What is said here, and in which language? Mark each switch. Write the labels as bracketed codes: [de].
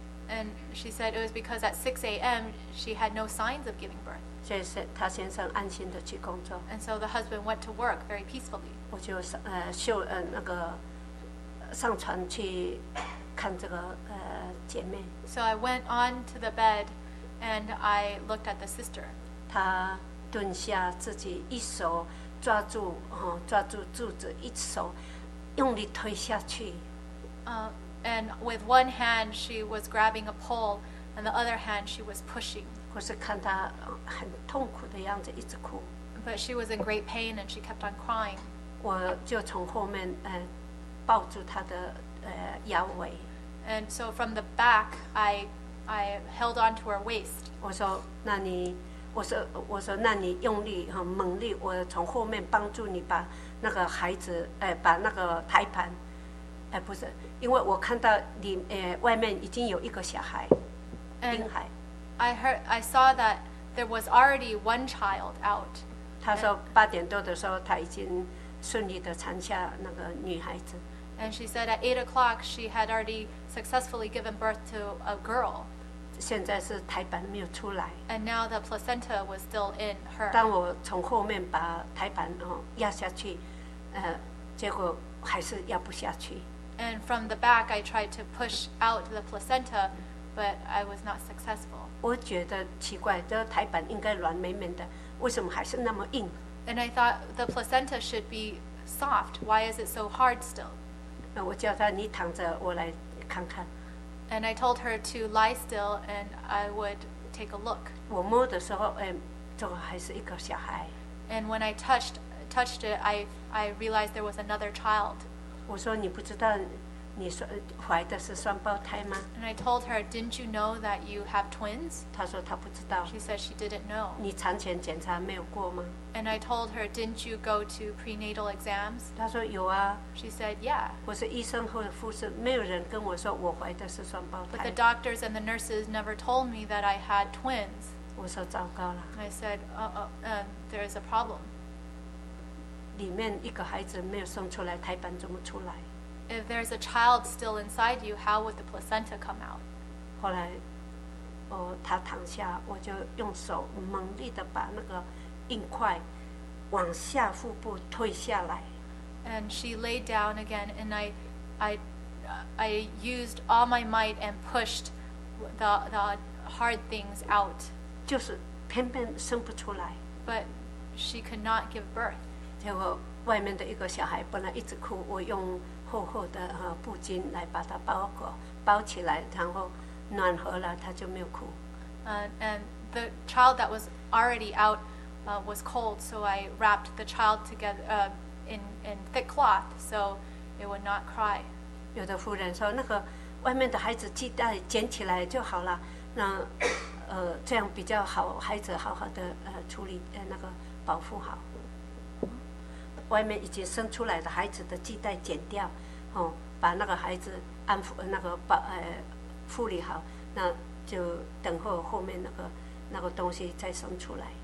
[en] And she said it was because at 6 a.m. she had no signs of giving birth. [zh] 所以是他先生安心的去工作。 [en] And so the husband went to work very peacefully. [zh] 我就那个上船去看这个姐妹。 [en] So I went on to the bed, and I looked at the sister. [zh] 她蹲下，自己一手抓住抓住柱子，一手用力推下去。 [en] And with one hand she was grabbing a pole, and the other hand she was pushing. [zh] 我是看她很痛苦的样子，一直哭。 [en] But she was in great pain, and she kept on crying. [zh] 我就从后面抱住她的腰围。 [en] And so from the back, I held on to her waist. [zh] 我说，那你。我说那你用力很猛力，我从后面帮助你把那个孩子把那个胎盘不是，因为我看到你外面已经有一个小孩婴孩。 [en] I saw that there was already one child out. [zh] 他说八点多的时候他已经顺利的产下那个女孩子。 [en] And she said at 8 o'clock she had already successfully given birth to a girl. [zh] 现在是胎盘没有出来。 [en] And now the placenta was still in her. [zh] 当我从后面把胎盘压下去，结果还是压不下去。 [en] And from the back, I tried to push out the placenta, but I was not successful. [zh] 我觉得奇怪，这胎盘应该软绵绵的，为什么还是那么硬 [en] ？And I thought the placenta should be soft. Why is it so hard still? [zh] 那我叫他你躺着，我来看看。 [en] And I told her to lie still, and I would take a look. [zh] 我摸的时候，这个还是一个小孩。 [en] And when I touched it, I realized there was another child. [zh] 我说你不知道，你说怀的是双胞胎吗 [en] ？And I told her, didn't you know that you have twins? [zh] 她说她不知道。 [en] She said she didn't know. [zh] 你产前检查没有过吗 [en] ？And I told her, didn't you go to prenatal exams? [zh] 她说有啊。 [en] She said, yeah. [zh] 我是医生和护士，没有人跟我说我怀的是双胞胎。 [en] But the doctors and the nurses never told me that I had twins. [zh] 我说糟糕了。 [en] I said, there is a problem. [zh] 里面一个孩子没有生出来，胎盘怎么出来？ [en] If there's a child still inside you, how would the placenta come out? [zh] 后来，他躺下，我就用手猛力地把那个硬块往下腹部推下来。 [en] And she laid down again, and I used all my might and pushed the hard things out. [zh] 就是偏偏生不出来。 [en] But she could not give birth. [zh] 结果外面的一个小孩本来一直哭，我用厚厚的布巾来把它包起来，然后暖和了，它就没有哭。 [en] And the child that was already out was cold, so I wrapped the child together in thick cloth so it would not cry. [zh] 有的妇人说，那个外面的孩子系带捡起来就好了，那这样比较好，孩子好好的处理那个保护好。外面已经生出来的孩子的系带剪掉，把那个孩子安抚那个护理好，那就等候后面那个东西再生出来。